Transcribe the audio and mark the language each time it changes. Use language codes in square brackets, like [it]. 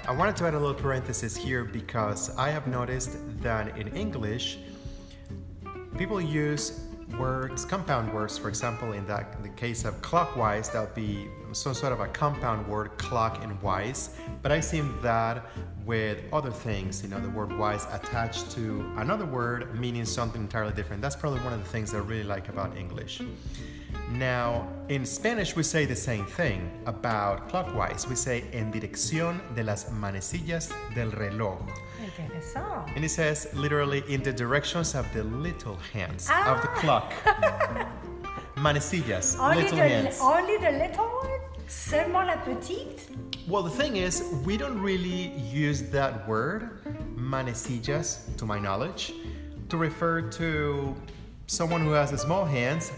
[en] I wanted to add a little parenthesis here because I have noticed that in English, people use words, compound words, for example, in the case of clockwise, that would be some sort of a compound word, clock and wise. But I've seen that with other things, you know, the word wise attached to another word meaning something entirely different. That's probably one of the things that I really like about English. Now, in Spanish, we say the same thing about clockwise. [es] We say, en dirección de las manecillas del reloj. [en] And it says, literally, in the directions of the little hands of the clock. Manecillas, little hands. Only the little one? [fr] Seulement la petite? [en] Well, the thing is, we don't really use that word, manecillas, to my knowledge, to refer to someone who has small hands.